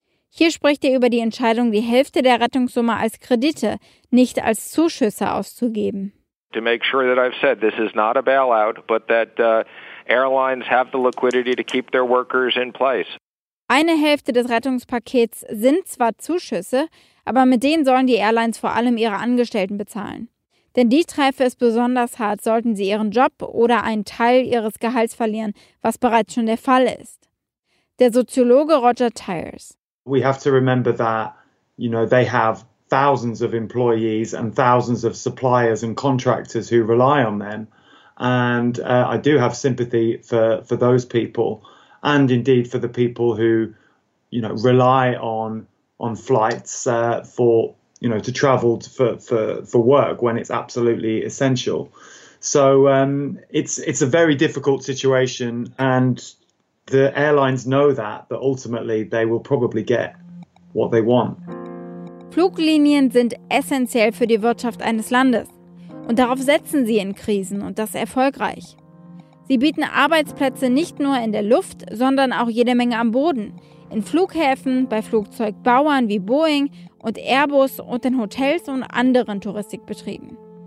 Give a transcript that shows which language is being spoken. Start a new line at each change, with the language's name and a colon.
German: Hier spricht er über die Entscheidung, die Hälfte der Rettungssumme als Kredite, nicht als Zuschüsse auszugeben.
English: To make sure that I've said this is not a bailout, but that airlines have the liquidity to keep their workers in place.
German: Eine Hälfte des Rettungspakets sind zwar Zuschüsse, aber mit denen sollen die Airlines vor allem ihre Angestellten bezahlen. Denn die treffe es besonders hart, sollten sie ihren Job oder einen Teil ihres Gehalts verlieren, was bereits schon der Fall ist. Der Soziologe Roger Tyers.
English: We have to remember that, you know, they have thousands of employees and thousands of suppliers and contractors who rely on them. And I do have sympathy for those people. And indeed for the people who, you know, rely on flights for, you know, to travel for work when it's absolutely essential. So it's a very difficult situation, and the airlines know that, but ultimately they will probably get what they want.
German: Fluglinien sind essentiell für die Wirtschaft eines Landes, und darauf setzen sie in Krisen, und das erfolgreich. Sie bieten Arbeitsplätze nicht nur in der Luft, sondern auch jede Menge am Boden. In Flughäfen, bei Flugzeugbauern wie Boeing und Airbus und in Hotels und anderen Touristikbetrieben.